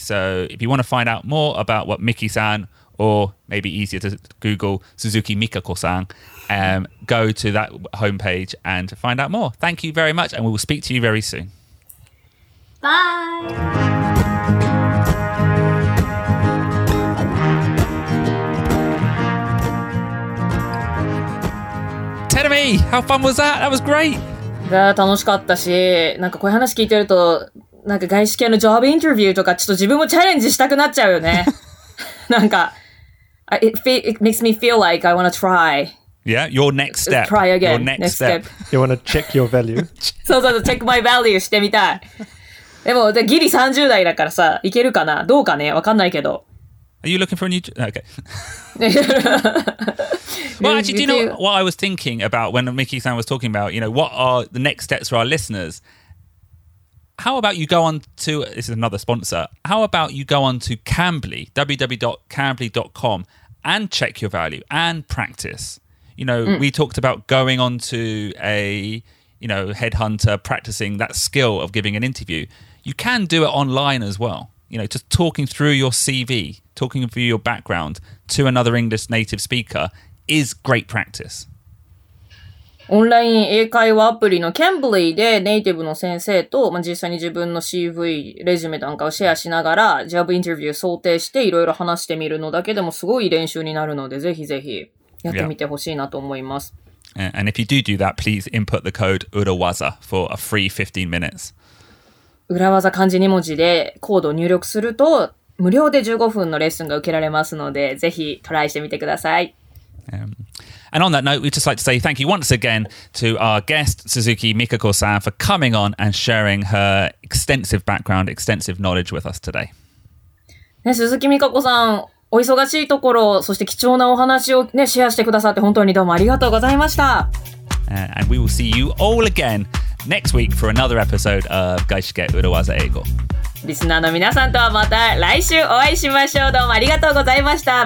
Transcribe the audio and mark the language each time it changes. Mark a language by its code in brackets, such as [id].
[en] So if you want to find out more about what Miki-san, or maybe easier to Google, Suzuki Mikako-san, go to that homepage and find out more. Thank you very much, and we will speak to you very soon. Bye! Terumi, how fun was that? That was great! [ja] が楽しかったし、なんかこういう話聞いてると、なんか外資系のジョブインタビューとか、ちょっと自分もチャレンジしたくなっちゃうよね。 [en] なんか、it makes me feel like I want to try. Yeah, your next step. Try again. Your next step. You want to check your value. [ja] そうそうそう、 check my value してみたい。でも、ギリ30代だからさ、いけるかな？どうかね？わかんないけど。 [en] Are you looking for a new job? Okay. Well, actually, do you know what I was thinking about when Miki-san was talking about, you know, what are the next steps for our listeners? How about you go on to, this is another sponsor, how about you go on to Cambly, www.cambly.com, and check your value and practice. You know, we talked about going on to a, you know, headhunter, practicing that skill of giving an interview. You can do it online as well. You know, just talking through your CV, talking through your background to another English native speaker is great practice. [ja] オンライン英会話アプリの Cambly でネイティブの先生と、まあ、実際に自分の CV、レジュメなんかをシェアしながら、ジョブインタビューを想定していろいろ話してみるのだけでもすごい練習になるので、ぜひぜひやってみてほしいなと思います。 [en] Yeah. And if you do do that, please input the code URAWAZA for a free 15 minutes. [ja] 裏技漢字2文字でコードを入力すると無料で15分のレッスンが受けられますのでぜひトライしてみてください。 [en] And on that note, we'd just like to say thank you once again to our guest, Suzuki Mikako-san, for coming on and sharing her extensive background, extensive knowledge with us today. [ja] ね、鈴木美香子さん、お忙しいところ、そして貴重なお話を、ね、シェアしてくださって本当にどうもありがとうございました。 [en] And we will see you all againNext week for another episode of 外資系裏技英語。 [ja] リスナーの皆さんとはまた来週お会いしましょう。どうもありがとうございました。